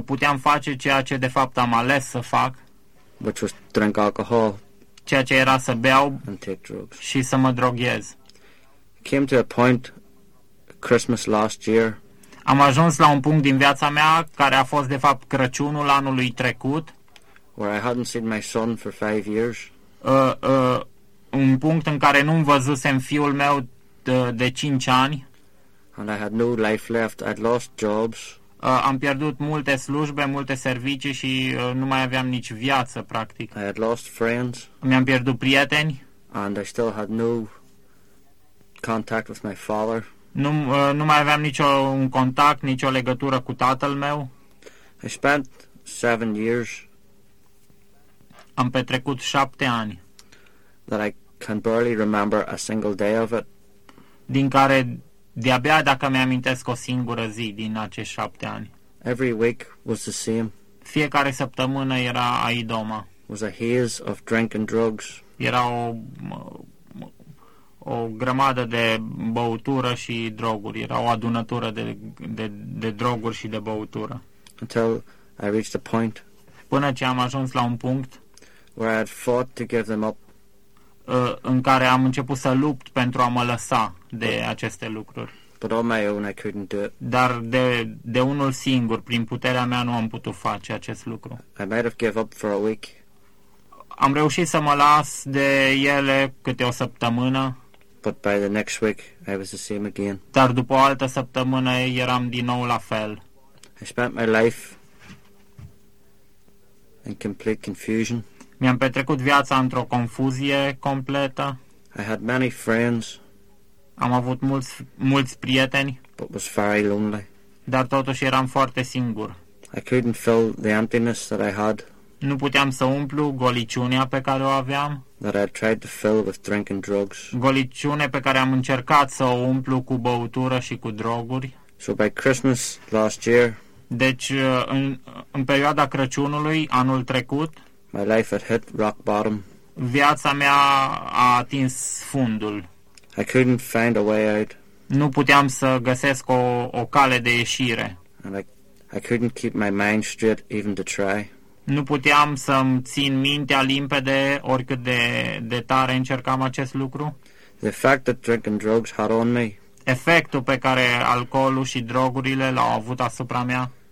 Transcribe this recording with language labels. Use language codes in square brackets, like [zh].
[ro] Puteam face ceea ce de fapt am ales să fac, [en] which was drink alcohol, [ro] ceea ce era să beau [en] and take drugs. [ro] Și să mă droghez. [en] Came to a point Christmas last year. [ro] Am ajuns la un punct din viața mea care a fost de fapt Crăciunul anului trecut, [en] where I hadn't seen my son for 5 years. [ro] Un punct în care nu-mi văzusem fiul meu de 5 ani. [en] And I had no life left. I'd lost jobs. [ro] Am pierdut multe slujbe, multe servicii și nu mai aveam nici viață, practic. [en] I had lost friends. [ro] Mi-am pierdut prieteni. [en] And I still had no contact with my father. [ro] Nu mai aveam niciun contact, nicio legătură cu tatăl meu. [en] I spent 7 years. [ro] Am petrecut 7 ani. [en] That I can barely remember a single day of it. [ro] Din care de-abia dacă mi-amintesc o singură zi din acești 7 ani. [en] Every week was the same. [ro] Fiecare săptămână era aidoma. [en] Was a haze of drink and drugs. [ro] Era o grămadă de băutură și droguri. Era o adunătură de droguri și de băutură. [en] Until I reached a point. [ro] Până ce am ajuns la un punct. [en] Where I had fought to give them up. [ro] În care am început să lupt pentru a mă lăsa de aceste lucruri. [en] But on my own I couldn't do it. [ro] Dar de unul singur, prin puterea mea, nu am putut face acest lucru. [en] I might have given up for a week. [ro] Am reușit să mă las de ele câte o săptămână. [en] But by the next week I was the same again. [ro] Dar după o altă săptămână eram din nou la fel. [en] I spent my life in complete confusion. [ro] Mi-am petrecut viața într-o confuzie completă. [en] I had many friends. [ro] Am avut mulți prieteni. [en] But was very lonely. [ro] Dar totuși eram foarte singur. [en] I couldn't fill the emptiness that I had. [ro] Nu puteam să umplu goliciunea pe care o aveam. [en] That I tried to fill with drink and drugs. [ro] Goliciune pe care am încercat să o umplu cu băutură și cu droguri. [en] So by Christmas last year. [ro] Deci în perioada Crăciunului anul trecut. [en] My life had hit rock bottom. [ro] Viața mea a atins fundul. [en] I couldn't find a way out. [ro] Nu puteam să găsesc o cale de ieșire. [en] And I couldn't keep my mind straight even to try. [ro] Nu puteam să-mi țin mintea limpede oricât de tare încercam acest lucru. [en] The effect that drink and drugs had on me. [ro] Efectul pe care alcoolul și drogurile l-au avut asupra mea.